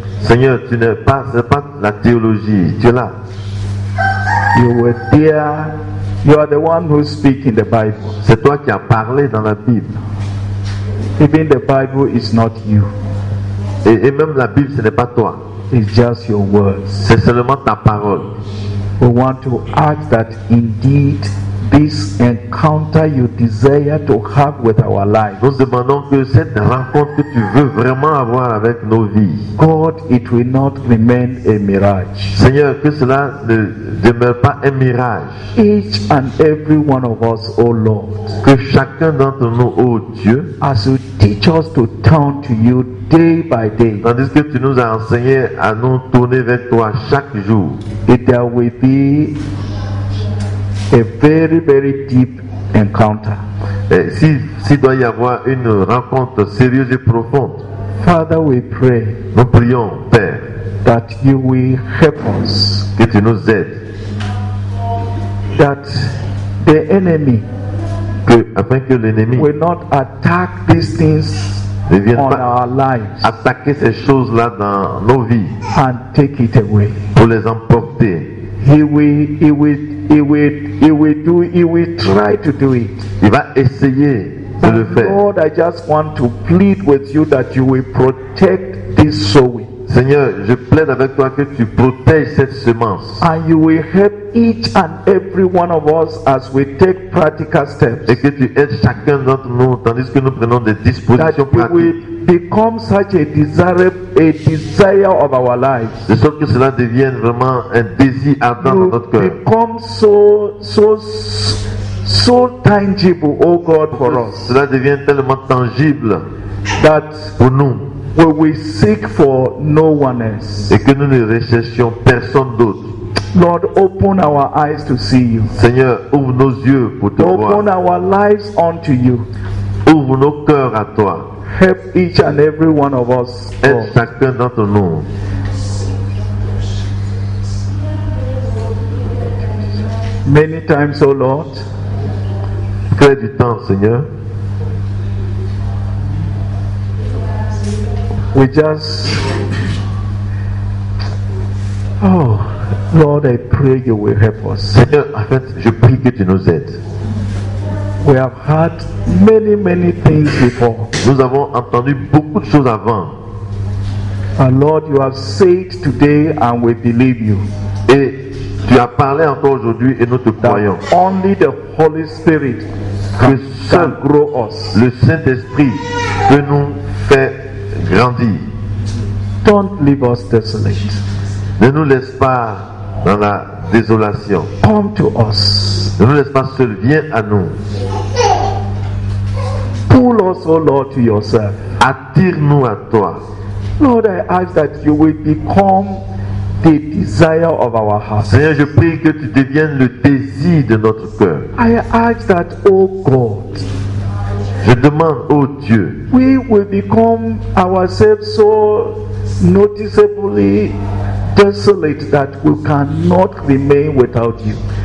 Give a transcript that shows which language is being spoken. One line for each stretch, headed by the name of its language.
French: Seigneur, tu n'es pas, c'est pas la théologie, tu es là.
English: You were there. You are the one who speaks in the Bible.
French: C'est toi qui as parlé dans la Bible.
English: Even the Bible is not you.
French: Et même la Bible, ce n'est pas toi.
English: It's just your words.
French: C'est seulement ta parole.
English: We want to ask that indeed this encounter you desire to have with our lives.
French: Nous demandons que cette rencontre que tu veux vraiment avoir avec nos vies.
English: God, it will not remain a mirage.
French: Seigneur, que cela ne demeure pas un mirage.
English: Each and every one of us, O Lord.
French: Que chacun d'entre nous, ô Dieu.
English: As you teach us to turn to you day by day.
French: Tandis que tu nous as enseigné à nous tourner vers toi chaque jour.
English: If there will be a very, very deep encounter.
French: Si doit y avoir une rencontre sérieuse et profonde.
English: Father, we pray.
French: Nous prions, Père,
English: that you will help us.
French: Que tu nous aides.
English: That the enemy.
French: Que l'ennemi.
English: Will not attack these things.
French: Ne vient on pas
English: our lives.
French: Attaquer ces choses là dans nos vies.
English: And take it away.
French: Pour les emporter.
English: He will try to do it.
French: Il va essayer de le faire.
English: Lord, I just want to plead with you that you will protect this sowing.
French: Seigneur, je plaide avec toi que tu protèges cette semence.
English: And you will help each and every one of us as we take practical steps.
French: Et que tu aides chacun d'entre nous tandis que nous prenons des dispositions pratiques.
English: That we will become such a desire of our lives.
French: De sorte que cela devienne vraiment un désir ardent dans notre cœur.
English: You become so tangible, oh God, for us.
French: Cela devient tellement tangible
English: that
French: pour nous.
English: Where we seek for no one else.
French: Et que nous ne recherchions personne d'autre.
English: Lord, open our eyes to see you.
French: Seigneur, ouvre nos yeux pour te
English: open
French: voir.
English: Open our lives unto you.
French: Ouvre nos cœurs à toi.
English: Help each and every one of us.
French: Aide chacun d'entre nous.
English: Many times, oh Lord.
French: Crée du temps, Seigneur.
English: We just, oh Lord, I pray you will help us.
French: Seigneur, en fait, je prie que tu nous aides.
English: We have heard many, many things before.
French: Nous avons entendu beaucoup de choses avant.
English: And Lord, you have said today, and we believe you.
French: Et tu as parlé encore aujourd'hui, et nous te croyons.
English: Only the Holy Spirit can grow us.
French: Le Saint-Esprit peut nous faire grandir.
English: Don't leave us desolate.
French: Ne nous laisse pas dans la désolation.
English: Come to us.
French: Ne nous laisse pas seul. Viens à nous.
English: Pull us, O Lord, to yourself.
French: Attire-nous à toi.
English: Lord, I ask that you will become the desire of our hearts.
French: Seigneur, je prie que tu deviennes le désir de notre cœur.
English: I ask that, O God.
French: Je demande, ô Dieu,
English: we will become ourselves so noticeably desolate that we cannot remain without you.